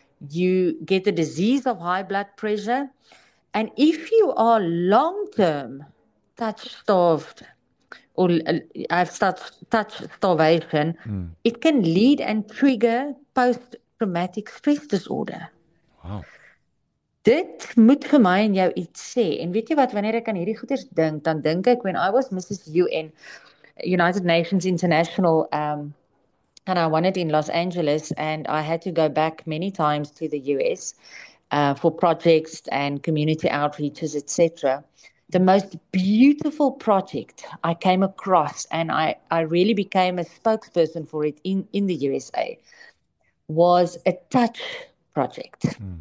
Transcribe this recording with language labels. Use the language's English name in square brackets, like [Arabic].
[English] You get the disease of high blood pressure. And if you are long-term touch starved, or I've touch starvation, it can lead and trigger post-traumatic stress disorder. Wow. [Afrikaans] Dit moet vir my en jou iets sê. En weet jy wat, wanneer ek aan hierdie goeders dink, dan dink ek, [English] when I was Mrs. UN, United Nations International, and I wanted in Los Angeles, and I had to go back many times to the US for projects and community outreaches, etc. The most beautiful project I came across, and I really became a spokesperson for it in the USA, was a touch project.